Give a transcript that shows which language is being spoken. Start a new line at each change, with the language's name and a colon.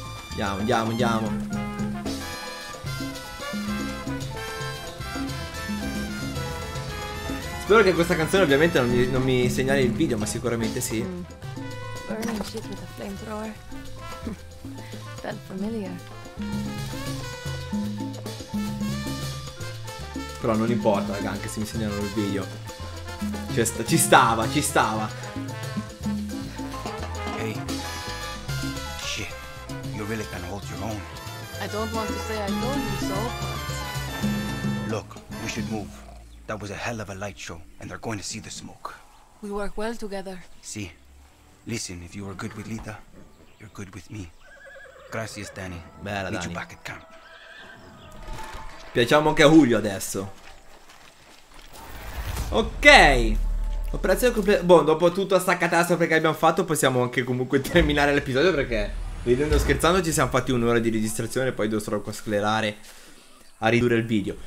Italian: Andiamo, andiamo, andiamo. Spero che questa canzone ovviamente non mi segnali il video, ma sicuramente sì.
English: Burning shit with a flamethrower. Felt familiar.
Italian: Però non importa, raga, anche se mi segnalano il video. Cioè, ci stava.
English: Hey. Shit. You really can hold your own. I don't want to say I told you so. Look, we should move. That was a hell of a light show, and they're going to see the smoke. We work well together.
Italian: Sì.
English: Listen, if you are good with Lita, you're good with me.
Italian: Grazie, Danny. Bella, Danny.
English: Meet you back at camp.
Italian: Piacciamo anche a Julio adesso. Ok. Operazione completa. Boh, dopo tutta sta catastrofe che abbiamo fatto, possiamo anche comunque terminare l'episodio, perché ridendo scherzando ci siamo fatti un'ora di registrazione, poi dovrò sclerare a ridurre il video.